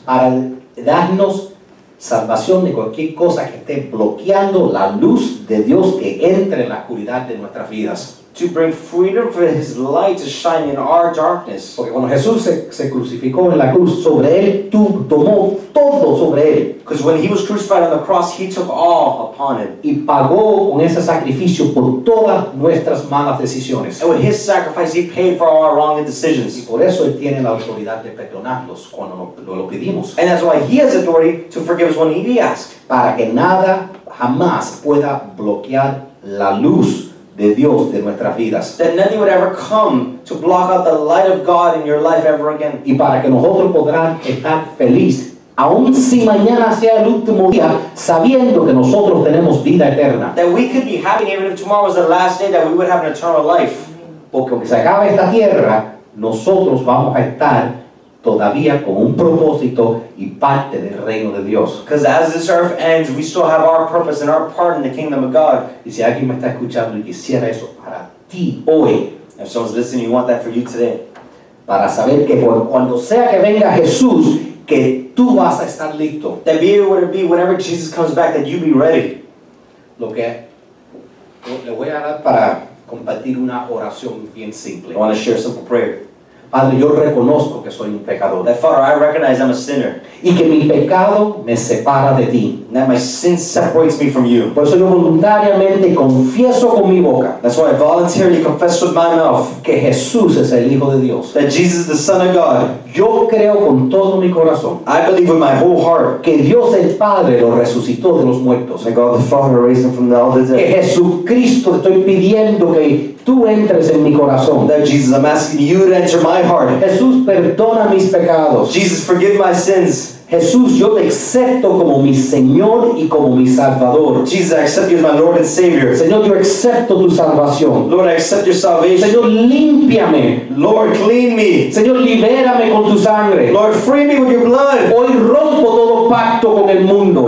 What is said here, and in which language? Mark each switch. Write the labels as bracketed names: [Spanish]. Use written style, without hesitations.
[Spanish] Para darnos salvación de cualquier cosa que esté bloqueando la luz de Dios que entre en la oscuridad de nuestras vidas. [English] To bring freedom for his light to shine in our darkness. [Spanish] Porque cuando Jesús se crucificó en la cruz, sobre él tomó todo sobre él. [English] Because when he was crucified on the cross, he took all upon him. [Spanish] Y pagó con ese sacrificio por todas nuestras malas decisiones. [English] And with his sacrifice, he paid for all our wrong decisions. [Spanish] Y por eso él tiene la autoridad de perdonarnos cuando lo pedimos. [English] And that's why he has authority to forgive us when he asks. [Spanish] Para que nada jamás pueda bloquear la luz de Dios de nuestras vidas. [English] That nothing would ever come to block out the light of God in your life ever again. [Spanish] Y para que nosotros podamos estar feliz, aun si mañana sea el último día, sabiendo que nosotros tenemos vida eterna. [English] That we could be happy even if tomorrow was the last day, that we would have an eternal life. [Spanish] Porque aunque se acabe esta tierra, nosotros vamos a estar todavía con un propósito y parte del reino de Dios. [English] Because as this earth ends, we still have our purpose and our part in the kingdom of God. [Spanish] Y si alguien me está escuchando y quisiera eso para ti hoy, [English] if someone's listening, you want that for you today. [Spanish] Para saber que cuando sea que venga Jesús, que tú vas a estar listo. [English] That be it, whatever it be, whenever Jesus comes back, that you be ready. [Spanish] Lo que le voy a dar para compartir una oración bien simple. [English] I want to share a simple prayer. [Spanish] Padre, yo reconozco que soy un pecador. [English] That Father, I recognize I'm a sinner. [Spanish] Y que mi pecado me separa de ti. [English] And that my sin separates me from you. [Spanish] Por eso yo voluntariamente confieso con mi boca. [English] That's why I voluntarily confess with my mouth. [Spanish] Que Jesús es el Hijo de Dios. [English] That Jesus is the Son of God. [Spanish] Yo creo con todo mi corazón. [English] I believe with my whole heart. [Spanish] Que Dios el Padre lo resucitó de los muertos. [English] That God the Father raised him from the all the dead. [Spanish] Que Jesucristo estoy pidiendo que tú entres en mi corazón. [English] That Jesus, I'm asking you to enter my heart. [Spanish] Jesús, perdona mis pecados. [English] Jesus, forgive my sins. [Spanish] Jesús, yo te acepto como mi Señor y como mi Salvador. [English] Jesus, I accept you as my Lord and Savior. [Spanish] Señor, yo acepto tu salvación. [English] Lord, I accept your salvation. [Spanish] Señor, límpiame. [English] Lord, clean me. [Spanish] Señor, libérame con tu sangre. [English] Lord, free me with your blood. [Spanish] Hoy rompo todo pacto con el mundo.